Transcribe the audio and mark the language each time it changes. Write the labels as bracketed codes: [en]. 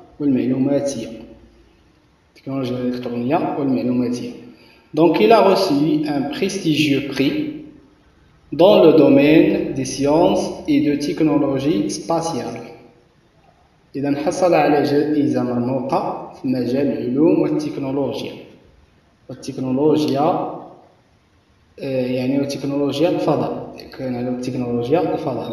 [ar] والمعلوماتية، التكنولوجيا الإلكترونية والمعلوماتية. [fr] Donc il a reçu un prestigieux prix dans le domaine des sciences et de technologies spatiales. [ar] إذا حصل على جائزة مرموقة في مجال العلوم والتكنولوجيا. والتكنولوجيا يعني التكنولوجيا الفضاء. كان على التكنولوجيا الفضاء.